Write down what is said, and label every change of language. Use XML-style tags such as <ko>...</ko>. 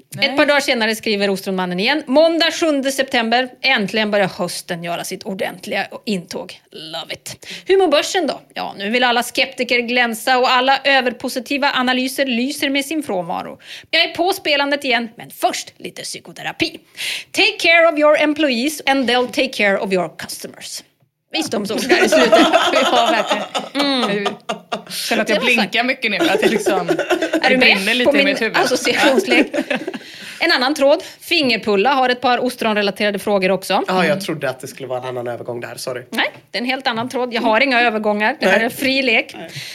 <sv>Nej. Ett par dagar senare skriver Ostronmannen igen: "Måndag 7 september, äntligen börjar hösten göra sitt ordentliga intåg.</sv> <en>Love it.</en> <sv>Hur mår börsen då? Ja, nu vill alla skeptiker glänsa och alla överpositiva analyser lyser med sin frånvaro. Jag är på spelandet igen, men först lite psykoterapi.</sv> <en>Take care of your employees and they'll take care of your customers."</en> <sv>Visdomsordar i slutet. Jag känner att jag blinkar mycket nu. Att det liksom, är du med lite på min associationslek? En annan tråd. Fingerpulla har ett par ostronrelaterade frågor också. Ja, jag trodde att det skulle vara en annan övergång där. Sorry. Nej, det är en helt annan tråd. Jag har inga övergångar. Det här är en fri lek. Nej.</sv>